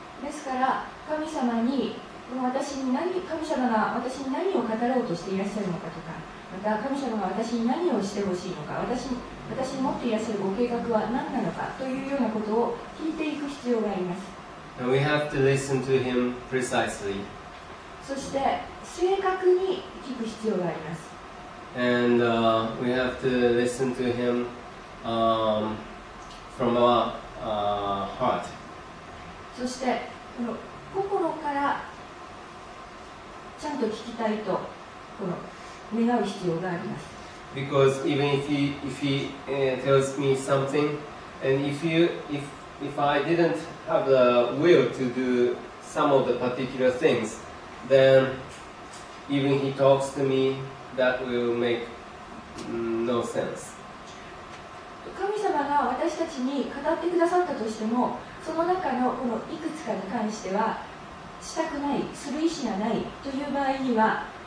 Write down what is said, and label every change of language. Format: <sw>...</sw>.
<ja>ですから神様に私に何、神様が私に何を語ろうとしていらっしゃるのかとか、また神様が私に何をしてほしいのか、私に持っていらっしゃるご計画は何なのかというようなことを聞いていく必要があります。</ja> <en>And we have to listen to him precisely.</en> <ja>そして正確に聞く必要があります。</ja> <en>And we have to listen to him from our heart.</en> <ja>そしてこの心からちゃんと聞きたいとこの願う必要があります。</ja> <en>Because even if he tells me something, and if I didn't have the will to do some of the particular things, then even he talks to me, that will make no sense.</en> <ja>神様が私たちに語ってくださったとしても、その中のこのいくつかに関してはしたくない、する意思がないという場合には。</ja>